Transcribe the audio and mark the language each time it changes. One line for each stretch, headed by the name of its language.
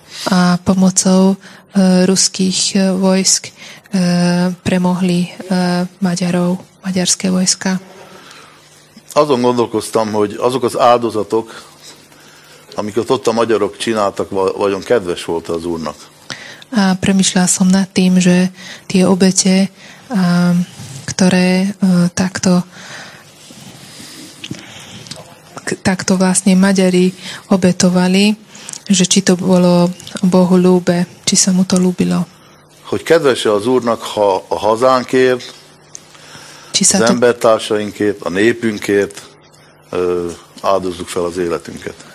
Slovak: A pomocou ruských vojsk premohli Maďarov, maďarské vojska.
Hungarian: Azon gondolkoztam, hogy azok az áldozatok, amiket ott a magyarok csináltak, vajon kedves volt az Úrnak?
Slovak: A premyšľal som nad tým, že tie obete, ktoré takto vlastne Maďari obetovali, že či to bolo Bohu ľúbe, či sa mu to ľúbilo.
Hungarian: Hogy kedves-e az Úrnak, ha a hazánkért, az embertársainkért, a népünkért áldozzuk fel az életünket.